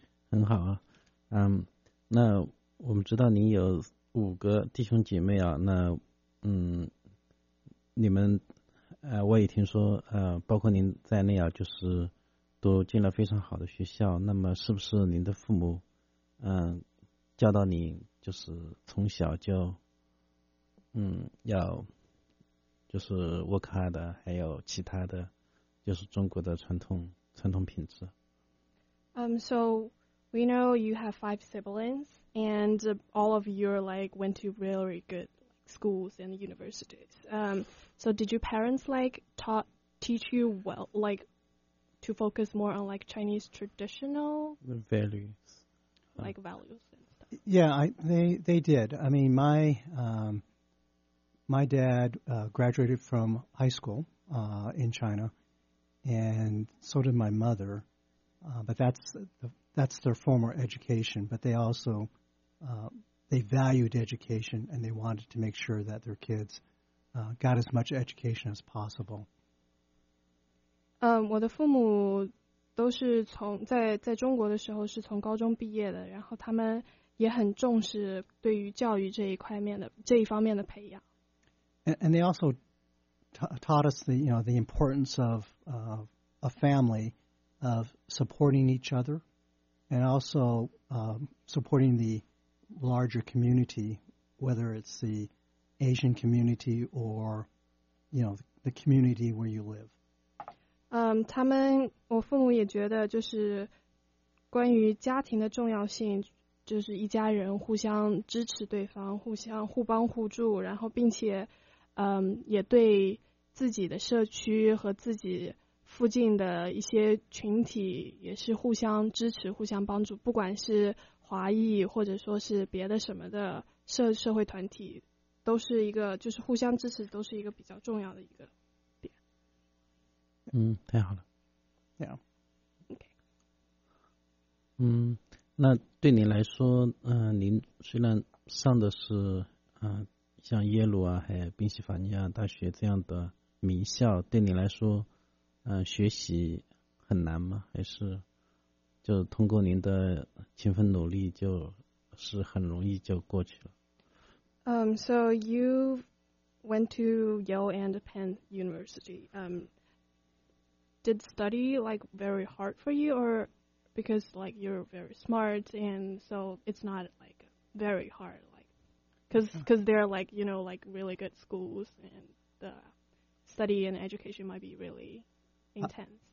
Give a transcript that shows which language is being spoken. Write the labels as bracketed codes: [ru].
[zh] 很好啊，那我们知道您有五个弟兄姐妹啊，那你们我也听说包括您在内啊，就是都进了非常好的学校，那么是不是您的父母教导你就是从小就要就是 [en] work hard， [zh] 还有其他的就是中国的传统品质？ [en] So we know you have 5 siblings, and all of you are like went to really good schools and universities. So did your parents like taught teach you well, like to focus more on like Chinese traditional values, like values and stuff. Yeah, they did. I mean, my dad graduated from high school in China, and so did my mother. But that's their former education. But they also they valued education, and they wanted to make sure that their kids got as much education as possible. [zh] 我的父母都是从在中国的时候是从高中毕业的，然后他们也很重视对于教育这一方面的培养。 [en] And they also taught us the importance of a family, of supporting each other, and also supporting the larger community, whether it's the Asian community or the community where you live. [zh] 他们，我父母也觉得就是关于家庭的重要性，就是一家人互相支持对方，互相互帮互助，然后并且也对自己的社区和自己附近的一些群体也是互相支持互相帮助，不管是华裔或者说是别的什么的社会团体，都是一个就是互相支持都是一个比较重要的一个。嗯，太好了。 [en] Yeah. Okay. [zh] 那对你来说，您虽然上的是像耶鲁啊，还有宾夕法尼亚大学这样的名校，对你来说，学习很难吗？还是就通过您的勤奋努力，就是很容易就过去了？ [en] So you went to Yale and Penn University. Did study like very hard for you, or because like you're very smart and so it's not like very hard, like because they're like like really good schools and the study and education might be really intense.